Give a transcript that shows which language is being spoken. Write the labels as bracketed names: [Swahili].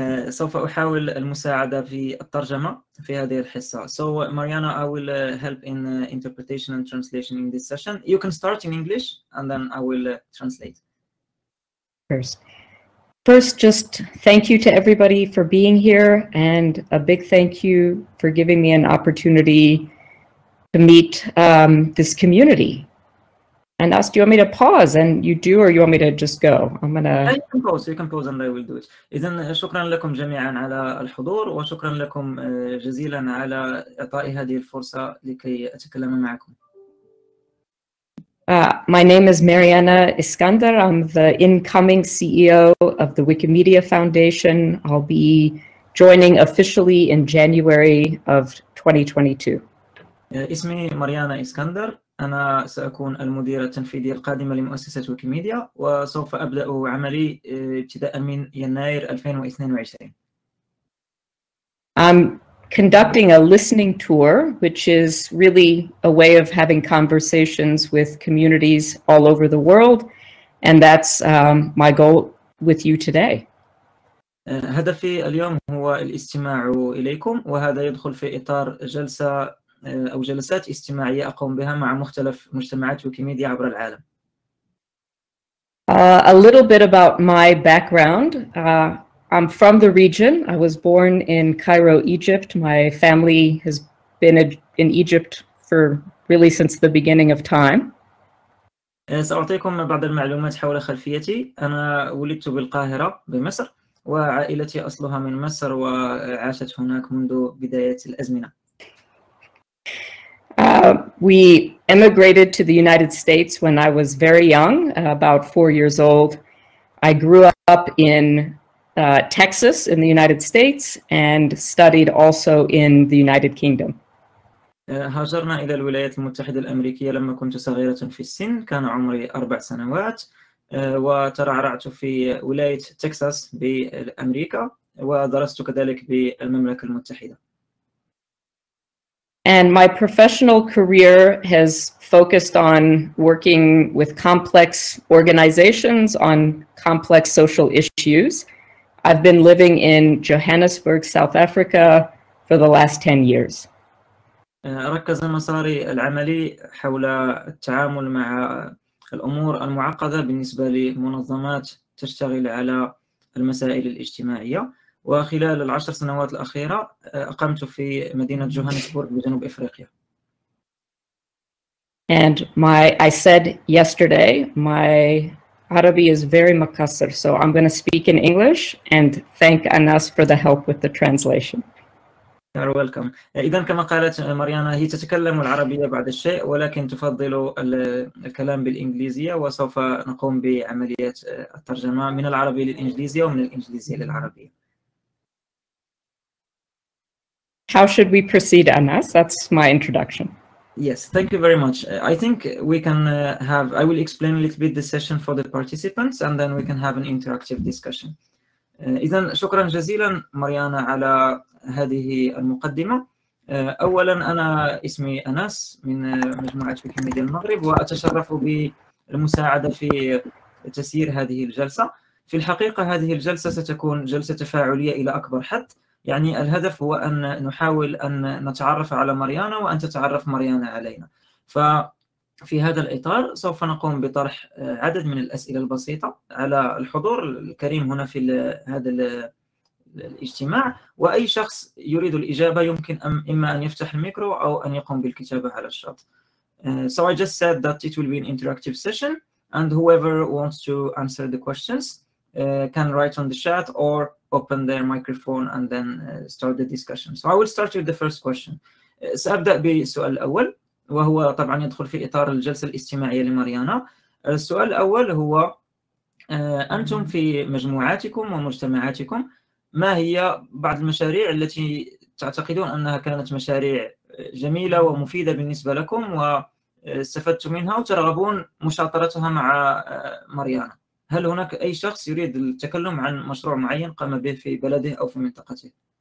[Arabic] سوف أحاول المساعدة في الترجمة في هذه الحصة. [English] So, Mariana, I will help in interpretation and translation in this session. You can start in English, and then I will translate. First, just thank you to everybody for being here, and a big thank you for giving me an opportunity to meet this community. And ask, do you want me to pause and you do, or you want me to just go? I'm gonna. You can pause and I will do it. [Arabic] إذن شكرا لكم جميعا على الحضور وشكرا لكم جزيلا على إعطاء هذه الفرصة لكي أتكلم معكم. [English] My name is Mariana Iskander. I'm the incoming CEO of the Wikimedia Foundation. I'll be joining officially in January of 2022. [Arabic] اسمي ماريانا إسكندر. أنا سأكون المديرة التنفيذية القادمة لمؤسسة ويكيميديا وسوف أبدأ عملي ابتداء من يناير 2022. [English] I'm conducting a listening tour, which is really a way of having conversations with communities all over the world, and that's my goal with you today. [Arabic] هدفي اليوم هو الاستماع إليكم وهذا يدخل في إطار جلسة أو جلسات استماعية أقوم بها مع مختلف مجتمعات ويكيميديا عبر العالم. [English] A little bit about my background. I'm from the region. I was born in Cairo, Egypt. My family has been in Egypt for really since the beginning of time. [Arabic] سأعطيكم بعض المعلومات حول خلفيتي. أنا ولدت بالقاهرة بمصر وعائلتي أصلها من مصر وعاشت هناك منذ بداية الأزمنة. [English] We immigrated to the United States when I was very young, about 4 years old. I grew up in Texas in the United States and studied also in the United Kingdom. [Arabic] هاجرنا إلى الولايات المتحدة الأمريكية لما كنت صغيرة في السن، كان عمري 4 سنوات، وترعرعت في ولاية تكساس بأمريكا ودرست كذلك بالمملكة المتحدة. [English] And my professional career has focused on working with complex organizations on complex social issues. I've been living in Johannesburg, South Africa for the last 10 years. [Arabic] ركز مساري العملي حول التعامل مع الأمور المعقدة بالنسبة لمنظمات تشتغل على المسائل الاجتماعية. وخلال العشر سنوات الأخيرة أقمت في مدينة جوهانسبورغ بجنوب أفريقيا. [English] And I said yesterday my Arabic is very makasser, so I'm going to speak in English and thank Anas for the help with the translation. You're welcome. [Arabic] إذن كما قالت ماريانا هي تتكلم العربية بعض الشيء ولكن تفضل الكلام بالإنجليزية وسوف نقوم بعملية الترجمة من العربي للإنجليزية ومن الإنجليزية للعربية. [English] How should we proceed, Anas? That's my introduction. Yes, thank you very much. I think we can have, I will explain a little bit the session for the participants and then we can have an interactive discussion. [Arabic] إذن شكرا جزيلا ماريانا على هذه المقدمة. أولا أنا اسمي أنس من مجموعة ويكيميديا المغرب وأتشرف بالمساعدة في تسيير هذه الجلسة. في الحقيقة هذه الجلسة ستكون جلسة تفاعلية إلى أكبر حد. يعني الهدف هو أن نحاول أن نتعرف على ماريانا وأن تتعرف ماريانا علينا. ففي هذا الإطار سوف نقوم بطرح عدد من الأسئلة البسيطة على الحضور الكريم هنا في هذا الاجتماع، وأي شخص يريد الإجابة يمكن إما أن يفتح الميكرو أو أن يقوم بالكتابة على الشاط. [English] So I just said that it will be an interactive session. And whoever wants to answer the questions can write on the chat or open their microphone and then start the discussion. So I will start with the first question. [Arabic] سأبدأ بسؤال الأول وهو طبعا يدخل في إطار الجلسة الاستماعية لماريانا. السؤال الأول هو أنتم في مجموعاتكم ومجتمعاتكم ما هي بعض المشاريع التي تعتقدون أنها كانت مشاريع جميلة ومفيدة بالنسبة لكم واستفدتم منها وترغبون مشاطرتها مع ماريانا؟ هل هناك أي شخص يريد التكلم عن مشروع معين قام به في بلده أو في منطقته؟